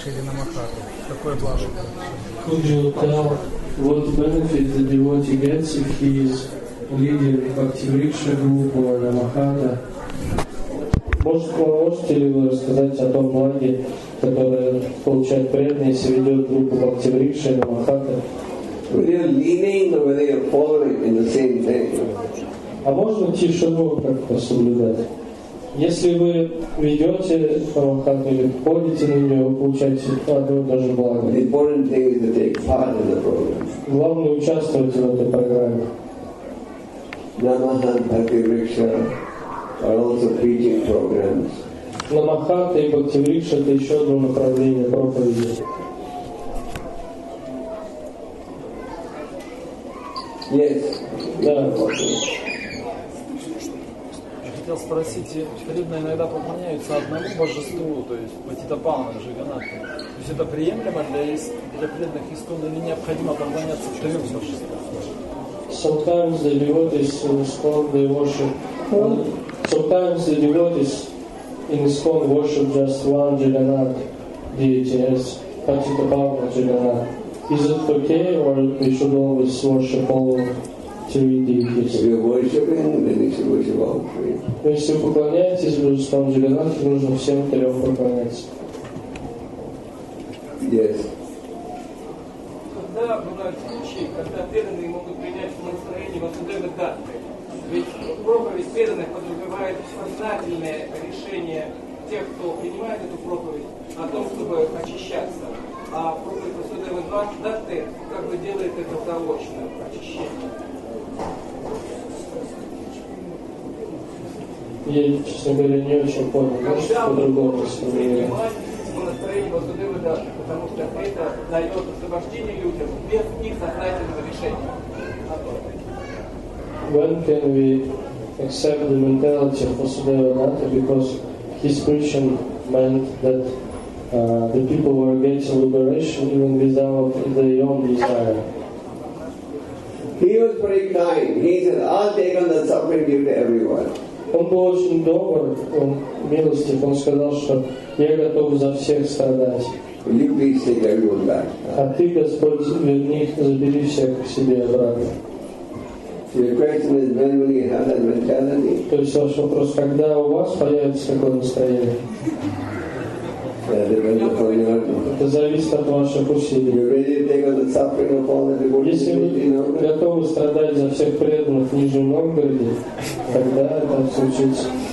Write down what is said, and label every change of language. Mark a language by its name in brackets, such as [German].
[English] Could you tell what benefit the devotee gets if he is leading Bhakti Vriksha group or Namahata? [Russian] Можете ли вы рассказать о том благе, которое получает преданный, если ведет группу Бхакти Вриксха и Намахата? [English] Whether you're leading or whether you're following in the same thing. [Russian] А можно тишину как-то соблюдать? Если вы ведете Рамахату или входите на нее, вы получаете одно и то же благо. [English] The important thing is to take part in the program. [Russian] Главное участвовать в этой программе. [English] Намахат, Бхакти Вриксха are also preaching programs. [Russian] Намахат и Бхакти Вриксха это еще одно направление проповеди. [English] Yes. [Russian] Да. Хотел спросить, преданные иногда поклоняются одному божеству, то есть Патитапавана, Джаганнатха. То есть это приемлемо для преданных искон или необходимо поклоняться трем божествам? [English] Sometimes the devotees in iskon they worship. Sometimes the devotees in iskon worship just one Jagannath deity as Patitapavana Jagannath. Is it okay, or we should always worship all three deities? If you're worshiping, then you should worship all three. [Russian] Если вы поклоняетесь божествам Джаганнатхи, нужно всем трем поклоняться. [English] Yes. [Russian] Когда бывают случаи, когда преданные могут принять настроение Васудевы Датты? Ведь проповедь преданных подразумевает сознательное решение тех, кто принимает эту проповедь, о том, чтобы очищаться. А просто Васудева Датты как бы делает это заочное очищение. Я, честно говоря, не очень понял. Когда по-другому принимать монастырь Васудева Датты, потому что это дает освобождение людям без их сознательного решения. [English] When can we accept the mentality of Васудева Датты, because his preaching meant that the people were getting liberation even without their own desire. He was very kind. He said, I'll take on the suffering due to everyone. [Russian] Он был очень добр, он милостив. Он сказал, что я готов за всех страдать. [English] Will you please take everyone back? [Russian] А ты, Господь, верни, забери всех к себе обратно. [English] So your question is, when will you have that mentality? [Russian] То есть ваш вопрос, когда у вас появится такое настроение? Это зависит от ваших усилий. Если вы готовы страдать за всех преданных в Нижнем Новгороде, тогда это случится.